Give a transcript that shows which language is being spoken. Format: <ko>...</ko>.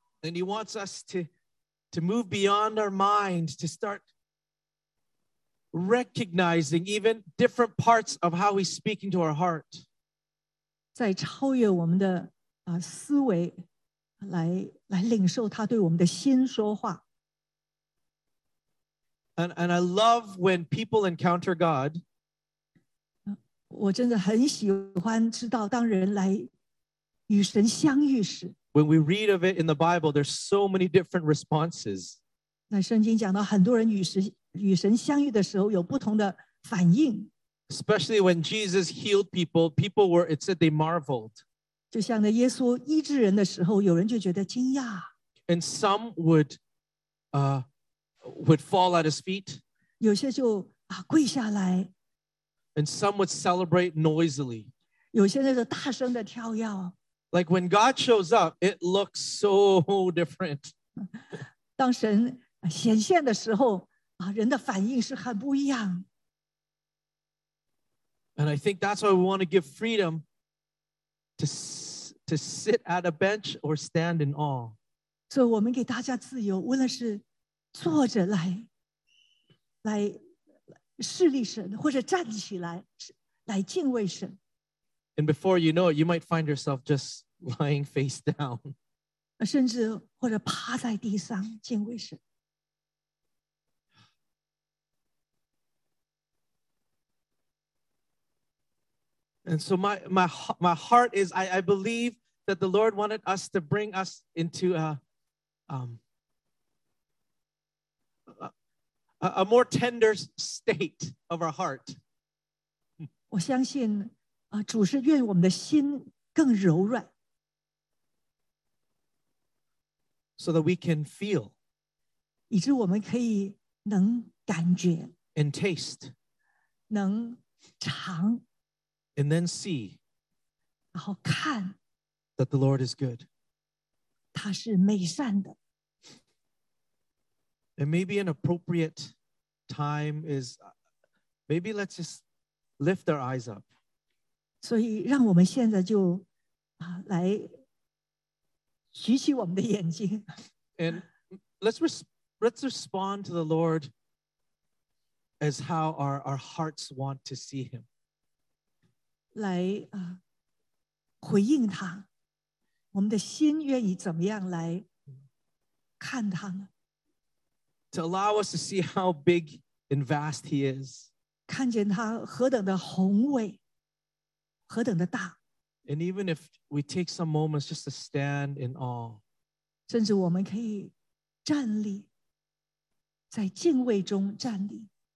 <en>And he wants us to move beyond our mind to start recognizing even different parts of how he's speaking to our heart.</en> <zh>在超越我们的思维来领受他对我们的心说话。</zh> <en>And I love when people encounter God.</en> <zh>我真的很喜欢知道当人来与神相遇时。</zh> <en>When we read of it in the Bible, there's so many different responses.</en> <zh>那圣经讲到很多人与神 与神相遇的时候有不同的反应。</zh> <en>Especially when Jesus healed people, people were, it said they marveled.</en> <zh>就像耶稣医治人的时候,有人就觉得惊讶。</zh> <en>And some would fall at his feet.</en> <zh>有些就跪下来。</zh> <en>And some would celebrate noisily.</en> <zh>有些就大声地跳跃。</zh> <en>Like when God shows up, it looks so different.</en> <zh>当神显现的时候, 人的反应是很不一样。</zh> <en>And I think that's why we want to give freedom to sit at a bench or stand in awe.</en> <zh>所以我们给大家自由, 无论是坐着来侍立神, 或者站起来, 来敬畏神。</zh> <en>And before you know it, you might find yourself just lying face down.</en> <zh>甚至或者趴在地上, 敬畏神。</zh> <en>And so my heart is, I believe that the Lord wanted us to bring us into a more tender state of our heart.</en> <zh>我相信, 主是愿我们的心更柔软。</zh> <en>So that we can feel.</en> <zh>以致我们可以能感觉。</zh> <en>And taste.</en> <zh>能尝。</zh> <en>And then see that the Lord is good.</en> <zh>他是美善的。</zh> <en>And maybe an appropriate time is, maybe let's just lift our eyes up.</en> <zh>所以让我们现在就来举起我们的眼睛。</zh> <en>And let's respond to the Lord as how our hearts want to see him.</en> <zh>来回应他，我们的心愿意怎么样来看他呢？</zh> <en>To allow us to see how big and vast he is.</en> <zh>看见他何等的宏伟，何等的大。</zh> <en>And even if we take some moments just to stand in awe.</en> <zh>甚至我们可以站立，在敬畏中站立。</zh>